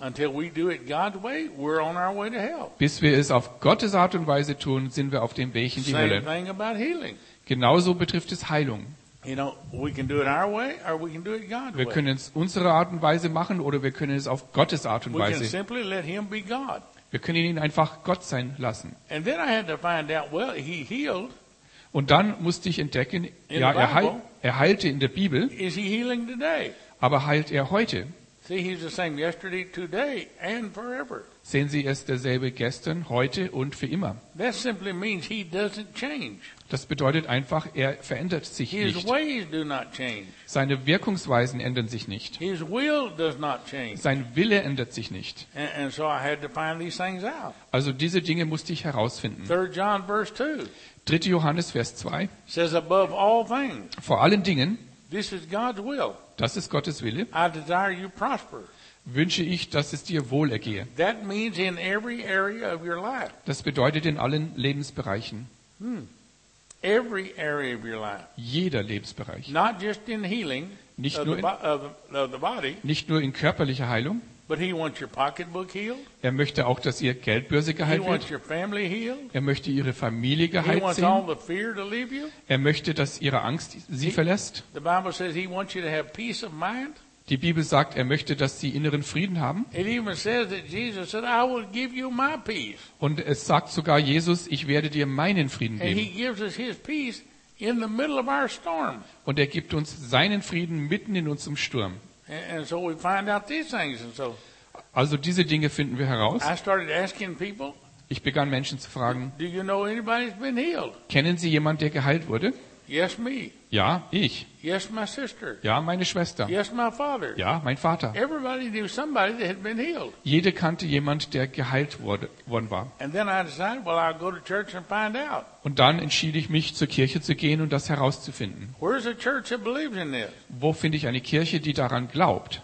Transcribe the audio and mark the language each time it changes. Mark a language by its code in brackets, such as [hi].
[en] Until we do it God's way, we're on our way to hell. [de] Bis wir es auf Gottes Art und Weise tun, sind wir auf dem Weg in die [en] Same [de] Hölle. [en] Thing about healing. [de] Genauso betrifft es Heilung. [en] You know, we can do it our way or we can do it God's way. [de] Wir können es unsere Art und Weise machen oder wir können es auf Gottes Art und Weise. [en] We can simply let him be God. [de] Wir können ihn einfach Gott sein lassen. [en] And then I had to find out, well, he healed. [de] Und dann musste ich entdecken, in ja, er heilte in der Bibel. [en] Is he healing today? [de] Aber heilt er heute? [en] See, he's the same yesterday, today, and forever. [de] Sehen Sie, er ist derselbe gestern, heute und für immer. [en] That simply means he doesn't change. [de] Das bedeutet einfach, er verändert sich [en] his [de] nicht. [en] Ways do not change. [de] Seine Wirkungsweisen ändern sich nicht. [en] His will does not change. [de] Sein Wille ändert sich nicht. [en] And so I had to find these things out. [de] Also diese Dinge musste ich herausfinden. [en] 3 John verse 2. [de] 3. Johannes Vers 2. [en] Says above all things. [de] Vor allen Dingen. [en] This is God's will. [de] Das ist Gottes Wille. [en] I desire you prosper. [de] Wünsche ich, dass es dir wohl ergehe. [en] That means in every area of your life. [de] Das bedeutet in allen Lebensbereichen. [en] Every area of your life. [de] Jeder Lebensbereich. [en] Not just in healing, [de] nicht nur [en] of the body, [de] nicht nur in körperlicher Heilung. [en] But he wants your pocketbook healed. [de] Er möchte auch, dass ihr Geldbörse geheilt [en] he [de] wird. [en] Wants your family healed. [de] Er möchte ihre Familie geheilt [en] he wants [de] sehen. [en] All the fear to leave you. [de] Er möchte, dass ihre Angst sie verlässt. [en] The Bible says he wants you to have peace of mind. [de] Die Bibel sagt, er möchte, dass sie inneren Frieden haben. [en] It even says that Jesus said, I will give you my peace. [de] Und es sagt sogar Jesus, ich werde dir meinen Frieden geben. [en] And he gives us his peace in the middle of our storm. [de] Und er gibt uns seinen Frieden mitten in unserem Sturm. [en] And so we find out these things. And so, [de] also diese Dinge finden wir heraus. [en] I started asking people, [de] ich begann Menschen zu fragen, [en] do you know anybody's been healed? [de] Kennen Sie jemanden, der geheilt wurde? [en] Yes, me. [de] Ja, ich. [en] Yes, my sister. [de] Ja, meine Schwester. [en] Yes, my father. [de] Ja, mein Vater. [en] Everybody knew somebody that had been healed. [de] Jeder kannte jemanden, der geheilt worden war. [en] And then I decided, well, I'll go to church and find out. [de] Und dann entschied ich mich, zur Kirche zu gehen und das herauszufinden. [en] Where's a church that believes in this? [de] Wo finde ich eine Kirche, die daran glaubt?